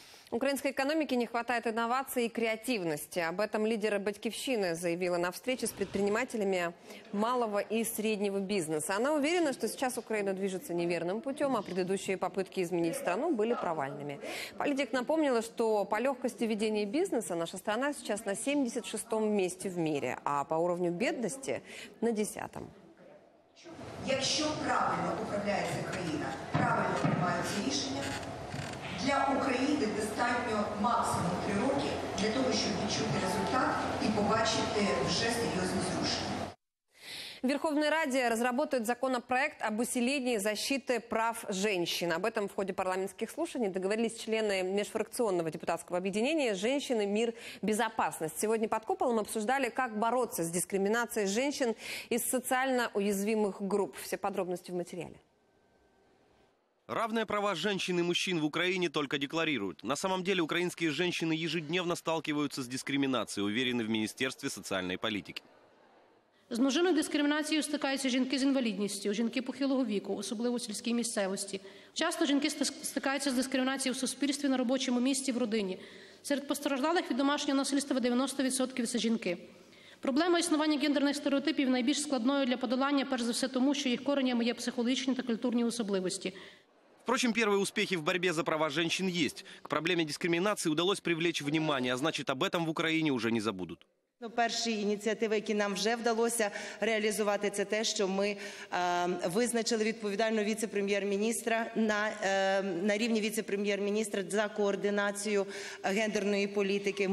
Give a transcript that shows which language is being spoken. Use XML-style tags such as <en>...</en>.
<ru>Украинской экономике не хватает инноваций и креативности. Об этом лидеры «Батьковщины» заявила на встрече с предпринимателями малого и среднего бизнеса. Она уверена, что сейчас Украина движется неверным путем, а предыдущие попытки изменить страну были провальными. Политик напомнила, что по легкости ведения бизнеса наша страна сейчас на 76-м месте в мире, а по уровню бедности на 10-м. Если правильно управляется Украина, правильно принимаются решения,</ru> <uk>для України достатньо максимум 3 роки для того, щоб відчути результат і побачити вже серйозні зрушення.</uk> <ru>В Верховной Раде разработают законопроект об усилении защиты прав женщин. Об этом в ходе парламентских слушаний договорились члены межфракционного депутатского объединения «Женщины. Мир. Безопасность». Сегодня под куполом обсуждали, как бороться с дискриминацией женщин из социально уязвимых групп. Все подробности в материале. Равные права женщин и мужчин в Украине только декларируют. На самом деле украинские женщины ежедневно сталкиваются с дискриминацией, уверены в Министерстве социальной политики.</ru> <uk>З множиною дискримінацією стикаються жінки з інвалідністю, жінки похилого віку, особливо в сільській місцевості. Часто жінки стикаються з дискримінацією в суспільстві, на робочому місці, в родині. Серед постраждалих від домашнього насильства 90% – це жінки. Проблема існування гендерних стереотипів найбільш складною для подолання, перш за все тому, що їх коренями є психологічні та культурні особливості.</uk> <ru>Впрочем, первые успехи в борьбе за права женщин есть. К проблеме дискриминации удалось привлечь внимание, а значит, об этом в Украине уже не забудут.</ru> <uk>Ну, перші ініціативи, які нам вже вдалося реалізувати, це те, що ми визначили відповідального віце-прем'єр-міністра на рівні віце-прем'єр-міністра за координацію гендерної політики.</uk>